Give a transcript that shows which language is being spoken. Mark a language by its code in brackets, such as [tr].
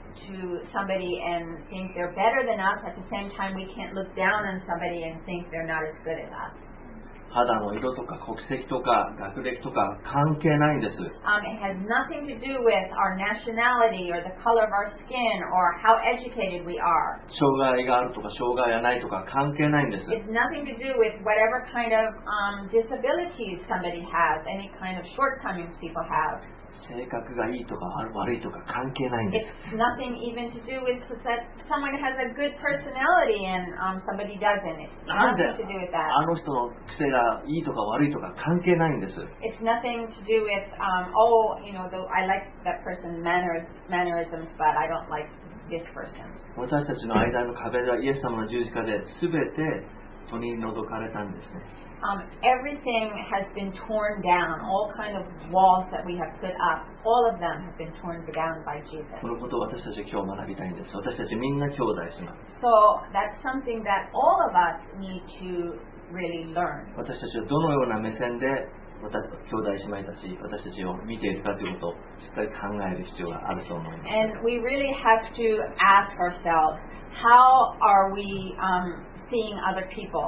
[en] To somebody and think they're better than us. At the same time, we can't look down on somebody and think they're not as good as us. [ja] 肌の色とか国籍とか学歴とか関係ないんです。 [en] It has nothing to do with our nationality or the color of our skin or how educated we are. [ja] 障害があるとか障害がないとか関係ないんです。 [en] It's nothing to do with whatever kind of disabilities somebody has, any kind of shortcomings people have. [ja] 性格がいいとか悪いとか関係ないんです。 [en] It's nothing even to do with that someone has a good personality and somebody doesn't. It's nothing to do with that. [ja] あの人の癖がいいとか悪いとか関係ないんです。 [en] It's nothing to do with I like that person's mannerisms, but I don't like this person. [ja] 私たちの間の壁はイエス様の十字架で全て取り除かれたんですね。 [en] Everything has been torn down. All kind of walls that we have put up, all of them have been torn down by Jesus. [ja] このことを私たち今日学びたいんです。私たちみんな兄弟します。 [en] So that's something that all of us need to really learn. [ja] 私たちはどのような目線で兄弟姉妹たち私たちを見ているかということをしっかり考える必要があると思います。 [en] And we really have to ask ourselves, how are we seeing other people?